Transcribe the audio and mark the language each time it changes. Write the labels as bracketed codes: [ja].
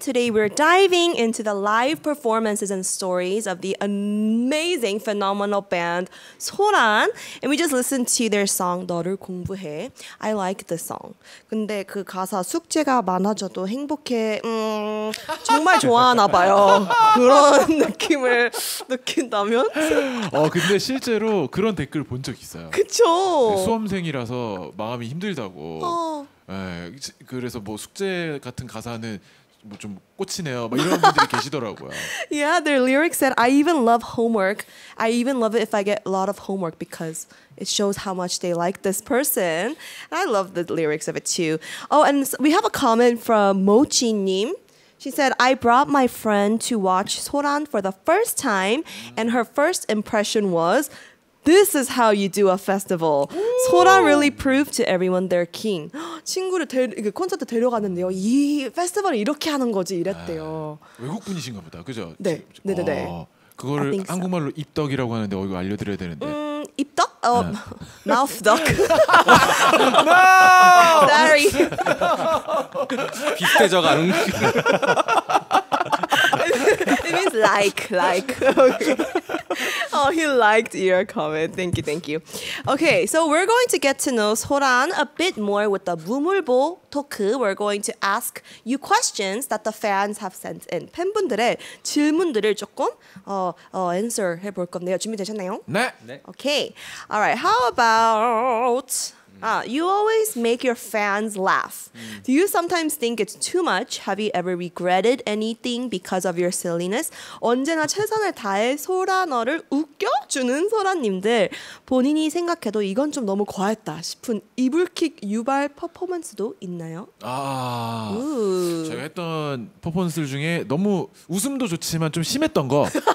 [en] Today we're diving into the live performances and stories of the amazing phenomenal band Soran. And we just listened to their song 너를 공부해. I like the song. [ko] 근데 그 가사 숙제가 많아져도 행복해. 정말 좋아하나 봐요. 그런 느낌을 느낀다면? 근데 실제로 그런 댓글 본 적 있어요. 그쵸? 수험생이라서 마음이 힘들다고. 네, 그래서 뭐 숙제 같은 가사는 뭐 좀 꽂히네요. 막 이런 분들이 계시더라고요. [en] Yeah, their lyrics said, I even love homework. I even love it if I get a lot of homework because it shows how much they like this person. And I love the lyrics of it too. Oh, and we have a comment from Mochi Nim. She said, I brought my friend to watch Soran for the first time and her first impression was, This is how you do a festival. Soran really proved to everyone they're king. [ko] 친구를 콘서트 데려갔는데요. 이 페스티벌을 이렇게 하는 거지 이랬대요. 외국 분이신가 보다. 그죠? 네. 네네네. 그걸 한국말로 입덕이라고 하는데 이거 알려드려야 되는데. [en] 입덕? mouth duck. no! Sorry. [ko] 빗대져가는. [en] It means like. Okay. Oh, he liked your comment. Thank you. Okay, so we're going to get to know Soran a bit more with the 무물보 토크. We're going to ask you questions that the fans have sent in. [ko] 팬분들의 질문들을 조금 answer 해볼 건데요. 준비되셨나요? 네. [en] Okay. All right. How about... you always make your fans laugh. Do you sometimes think it's too much? Have you ever regretted anything because of your silliness? [ko] 언제나 최선을 다해 소라너를 웃겨주는 소라님들. 본인이 생각해도 이건 좀 너무 과했다 싶은 이불킥 유발 퍼포먼스도 있나요? 아, 제가 했던 퍼포먼스 중에 너무 웃음도 좋지만 좀 심했던 거.